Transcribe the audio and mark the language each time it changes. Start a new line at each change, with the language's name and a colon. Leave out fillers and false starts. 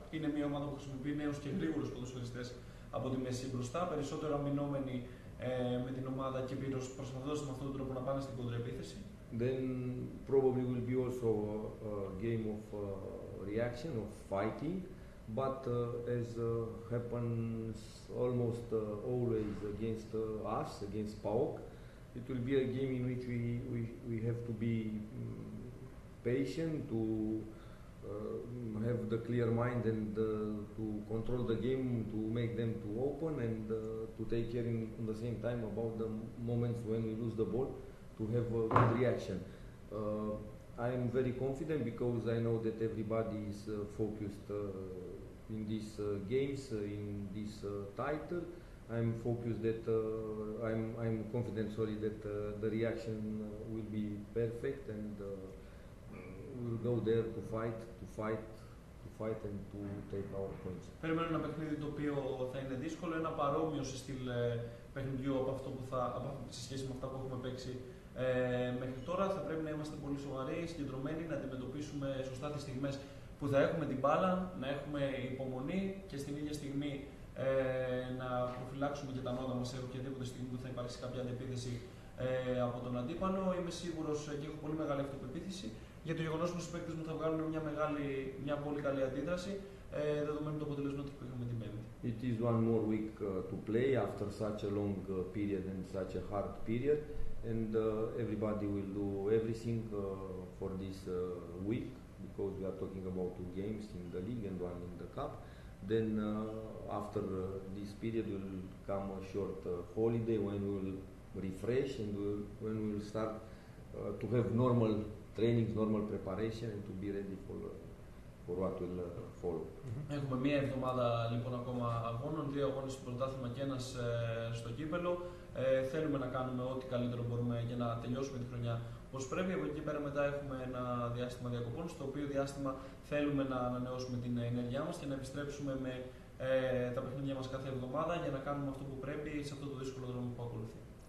Greek: Είναι μια ομάδα που χρησιμοποιεί νέους και γρήγορους ποδοσφαιριστές από τη μέση μπροστά, περισσότερο αμυνόμενοι με την ομάδα και πλήρως προσπαθώντας με αυτόν τον τρόπο να πάνε στην κοντραεπίθεση.
English: Then probably will be also a game of reaction, of fighting. But as happens almost always against us, against PAOK, it will be a game in which we have to be patient, to have the clear mind and to control the game, to make them to open and to take care in the same time about the moments when we lose the ball, to have a good reaction. I am very confident because I know that everybody is focused in these games, in this title. I'm focused that I'm confident, sorry, that the reaction will be perfect and we'll go there to fight to fight and to take our points.
Greek: Περιμένω ένα παιχνίδι το οποίο θα είναι δύσκολο, ένα παρόμοιο σε στυλ παιχνιδιού από αυτό που θα, σε σχέση με αυτά που έχουμε παίξει μέχρι τώρα. Θα πρέπει να είμαστε πολύ σοβαροί, συγκεντρωμένοι, να αντιμετωπίσουμε σωστά τις στιγμές που θα έχουμε την μπάλα, να έχουμε υπομονή και στην ίδια στιγμή να προφυλάξουμε και τα νότα μας σε οποιαδήποτε στιγμή που θα υπάρξει κάποια αντεπίθεση από τον αντίπαλο. Είμαι σίγουρος και έχω πολύ μεγάλη αυτοπεποίθηση για το γεγονός πως οι παίκτες μου θα βγάλουν μια πολύ καλή αντίδραση δεδομένου του αποτελέσματος που είχαμε την Πέμπτη.
English: It is one more week to play after such a long period and such a hard period and everybody will do everything for this week because we are talking about two games in the league and one in the cup. Then after this period will come a short holiday when we'll refresh and we'll, when we'll start to have normal training, normal preparation and to be ready for what will follow.
Greek: Έχουμε μία εβδομάδα λοιπόν ακόμα αγώνων, δύο αγώνες στο πρωτάθλημα και ένας στο κύπελλο. Θέλουμε να κάνουμε ό,τι καλύτερο μπορούμε για να τελειώσουμε τη χρονιά όπως πρέπει. Από εκεί πέρα μετά έχουμε ένα διάστημα διακοπών, στο οποίο διάστημα θέλουμε να ανανεώσουμε την ενέργειά μας και να επιστρέψουμε με τα παιχνίδια μας κάθε εβδομάδα για να κάνουμε αυτό που πρέπει σε αυτό το δύσκολο δρόμο που ακολουθεί.